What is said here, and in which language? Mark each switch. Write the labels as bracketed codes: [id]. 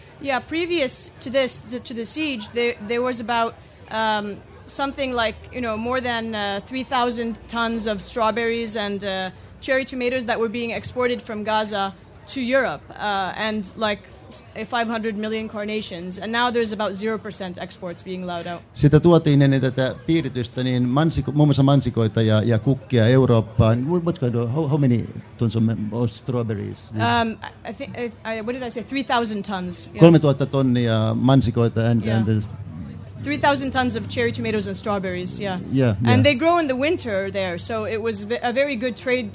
[en] Yeah, previous to this, to the siege, there was about something like, you know, more than 3,000 tons of strawberries and cherry tomatoes that were being exported from Gaza to Europe, and like 500 million carnations, and now there's about 0% exports being allowed out. [fi] Sitä tuotiin ennen tätä piiritystä, niin muun muassa mansikoita ja kukkia Eurooppaan. [en] What kind of, how many tons of strawberries? What did I say? 3,000 tons. [fi] 3,000 tonnia mansikoita and [en] 3,000 tons of cherry tomatoes and strawberries, yeah. Yeah. And they grow in the winter there, so it was a very good trade.